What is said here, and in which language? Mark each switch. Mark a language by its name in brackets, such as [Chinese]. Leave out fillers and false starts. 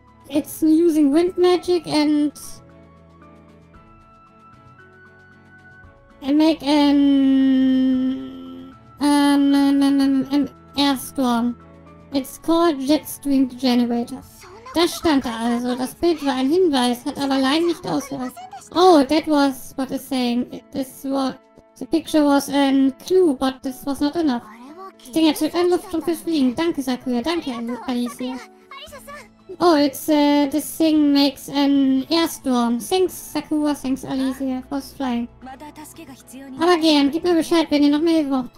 [English] It's using wind magic and make an air storm. It's called Jetstream Generator. [German] Das stand da also. Das Bild war ein Hinweis, hat aber allein nicht ausgereicht. [English] Oh, that was what it's saying. The picture was a clue, but this was not enough. [German] Ich denke, jetzt wird ein Luftstrom fürs Fliegen. Danke, Sakuya. Danke, Alicia. [English] Oh, it's this thing makes an airstorm. Thanks, Sakura, thanks, Alicia, for flying. [German] Aber gern, gib mir Bescheid, wenn ihr noch mehr Hilfe braucht.